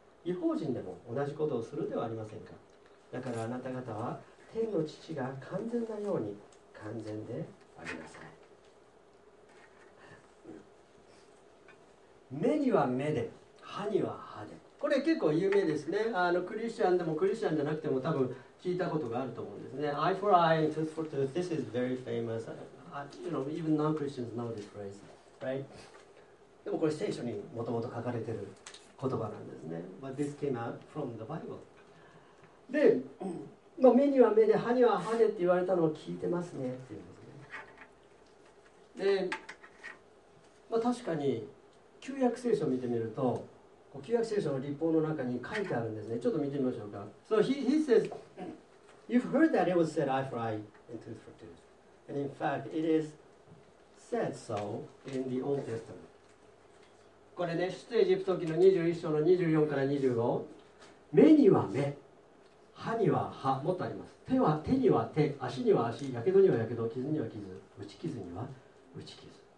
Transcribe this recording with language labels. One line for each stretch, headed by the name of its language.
Japanese: 異邦人でも同じことをするではありませんか。だからあなた方は天の父が完全なように完全でありなさい。目には目で、歯には歯で、これ結構有名ですね。あのクリスチャンでもクリスチャンじゃなくても多分聞いたことがあると思うんですね。
English: Eye for eye and tooth for tooth. This is very famous. You know, even non-Christians know this phrase, right?
Japanese: でもこれ聖書にもともと書かれてる言葉なんですね。
English: But this came out from the Bible.
Japanese: で、まあ、目には目で、歯には歯でって言われたのを聞いてますねって言うんですね。で、まあ、確かに旧約聖書を見てみると、旧約聖書の律法の中に書いてあるんですね。ちょっと見てみましょうか。
English: So he says, you've heard that it was said eye for eye and tooth for tooth. And in fact, it is said so in the Old Testament.
Japanese: これね、出エジプト記の21章の24から25。目には目、歯には歯、もっとあります。手は手には手、足には足、やけどにはやけど、傷には傷、打ち傷には打ち傷。